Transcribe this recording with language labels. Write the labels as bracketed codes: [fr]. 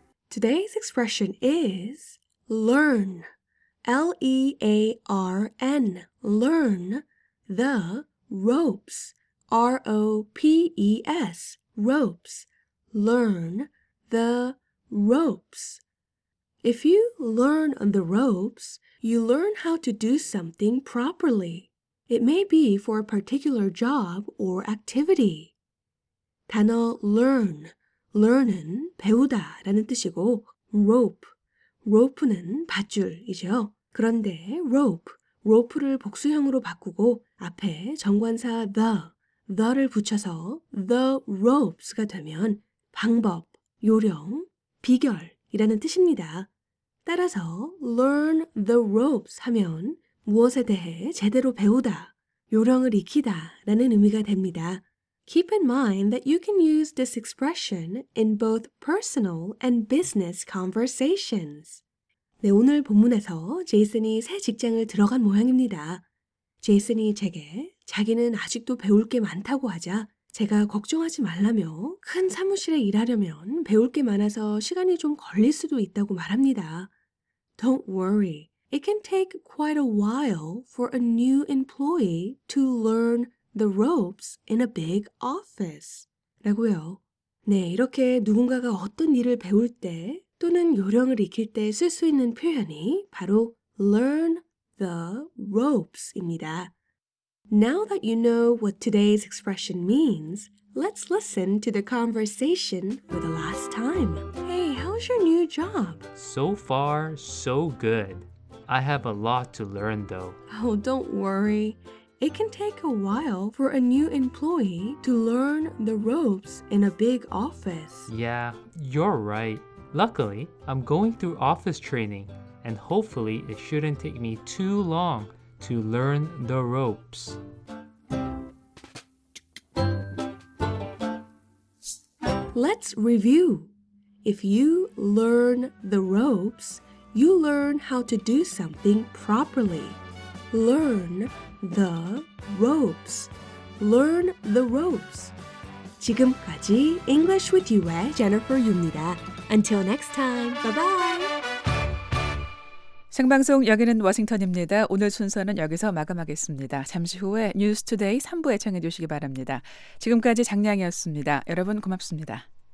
[ko] 오늘의 [en] expression is learn, L-E-A-R-N, learn the ropes, R-O-P-E-S, ropes, learn the ropes. If you learn the ropes, you learn how to do something properly. It may be for a particular job or activity. [ko] 단어 learn. learn은 배우다 라는 뜻이고 rope, rope는 밧줄이죠. 그런데 rope, rope를 복수형으로 바꾸고 앞에 정관사 the를 붙여서 the ropes가 되면 방법, 요령, 비결이라는 뜻입니다. 따라서 learn the ropes 하면 무엇에 대해 제대로 배우다, 요령을 익히다 라는 의미가 됩니다. [en] Keep in mind that you can use this expression in both personal and business conversations. [ko] 네, 오늘 본문에서 제이슨이 새 직장을 들어간 모양입니다. 제이슨이 제게 자기는 아직도 배울 게 많다고 하자 제가 걱정하지 말라며 큰 사무실에 일하려면 배울 게 많아서 시간이 좀 걸릴 수도 있다고 말합니다. [en] Don't worry. It can take quite a while for a new employee to learn the ropes in a big office. [ko] 라고요. 네, 이렇게 누군가가 어떤 일을 배울 때 또는 요령을 익힐 때 쓸 수 있는 표현이 바로 learn the ropes입니다. [en] Now that you know what today's expression means, let's listen to the conversation for the last time. Hey, how's your new job? So far, so good. I have a lot to learn, though. Oh, don't worry. It can take a while for a new employee to learn the ropes in a big office. Yeah, you're right. Luckily, I'm going through office training, and hopefully it shouldn't take me too long to learn the ropes. Let's review. If you learn the ropes, you learn how to do something properly. Learn the ropes. Learn the ropes. [ko] 지금까지 English with You의 Jennifer Yu입니다. [en] Until next time. Bye-bye. [ko] 생방송 여기는 워싱턴입니다. 오늘 순서는 여기서 마감하겠습니다. 잠시 후에 뉴스 투데이 3부에 청해 주시기 바랍니다. 지금까지 장량이었습니다. 여러분 고맙습니다.